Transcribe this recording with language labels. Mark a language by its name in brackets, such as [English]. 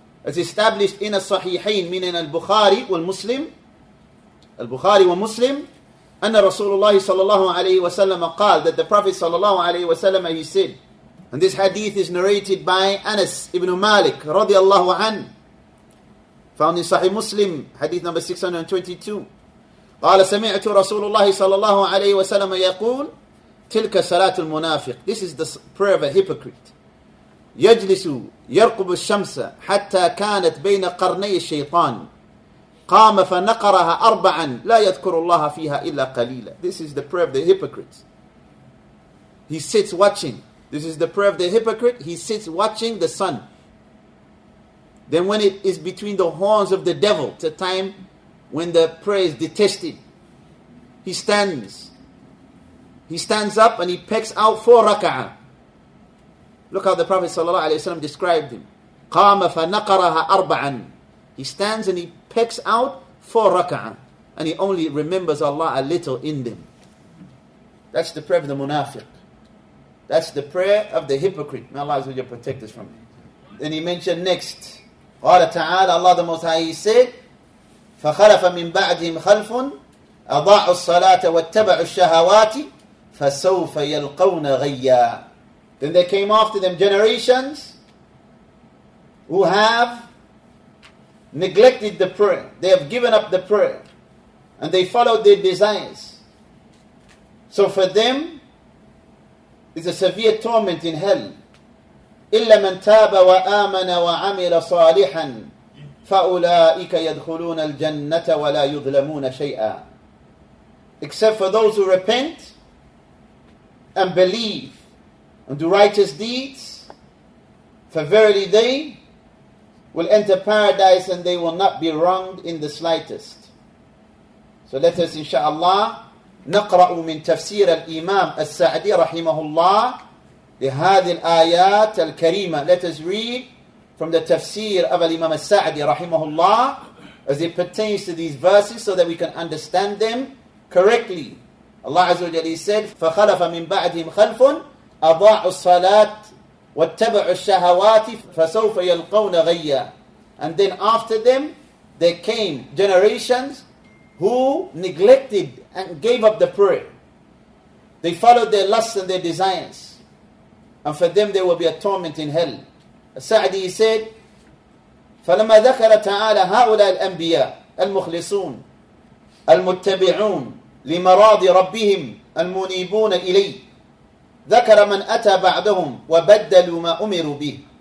[English] As established in الصحيحين, meaning البخاري والمسلم, البخاري ومسلم, [Arabic] أن رسول الله صلى الله عليه وسلم قال, [English] that the Prophet [Arabic] صلى الله عليه وسلم, [English] he said, and this hadith is narrated by Anas ibn Malik رضي الله عنه, found in Sahih Muslim, hadith number 622. [Arabic] قال سمعت رسول الله صلى الله عليه وسلم يقول تلك صلاة المنافق. [English] This is the prayer of a hypocrite. [Arabic] يجلس يرقب الشمس حتى كانت بين قرني الشيطان قام فنقرها أربعا لا يذكر الله فيها إلا قليلا. [English] This is the prayer of the hypocrite. He sits watching. This is the prayer of the hypocrite. He sits watching the sun. Then when it is between the horns of the devil, it's a time when the prayer is detested, he stands. He stands up and he pecks out four raka'ah. Look how the Prophet sallallahu alaihi wasallam described him. [Arabic] قام فنقرها أربعا. [English] He stands and he pecks out four raka'ah, and he only remembers Allah a little in them. That's the prayer of the munafiq. That's the prayer of the hypocrite. May Allah Azza wa Jalla protect us from it. Then he mentioned next. [Arabic] قال تعالى, [English] Allah the Most High, he said, [Arabic] فخلف من بعدهم خلف أضاعوا الصلاة واتبعوا الشهوات فسوف يلقون غيا. [English] Then there came after them generations who have neglected the prayer. They have given up the prayer and they followed their desires. So for them is a severe torment in hell. [Arabic] إِلَّا مَنْ تَابَ وَآمَنَ وَعَمِلَ صَالِحًا فَأُولَٰئِكَ يَدْخُلُونَ الْجَنَّةَ وَلَا يُظْلَمُونَ شَيْئًا. [English] Except for those who repent and believe and do righteous deeds, for verily they will enter paradise and they will not be wronged in the slightest. So let us, [Arabic] inshallah, نقرأ من تفسير الإمام السعدي رحمه الله لهذه الآيات الكريمة. [English] Let us read from the tafsir of Imam al-Sa'di [Arabic] رحمه الله [English] as it pertains to these verses so that we can understand them correctly. Allah عز وجل said, [Arabic] فَخَلَفَ مِنْ بَعْدِهِمْ خَلْفٌ أَضَاعُوا الصَّلَاةِ وَاتَّبَعُوا الشَّهَوَاتِ فَسَوْفَ يَلْقَوْنَ غَيَّا. [English] And then after them, there came generations who neglected and gave up the prayer. They followed their lusts and their desires. And for them there will be a torment in hell. As-Sa'di said, [Arabic] فَلَمَا ذَكَرَ تَعَالَى هَؤُلَاءِ الْأَنْبِيَاءِ الْمُخْلِصُونَ الْمُتَّبِعُونَ لِمَرَاضِ رَبِّهِمْ الْمُنِيبُونَ إِلَيْهِ ذَكَرَ مَنْ أَتَى بَعْدَهُمْ وَبَدَّلُوا مَا أُمِرُوا بِهِ.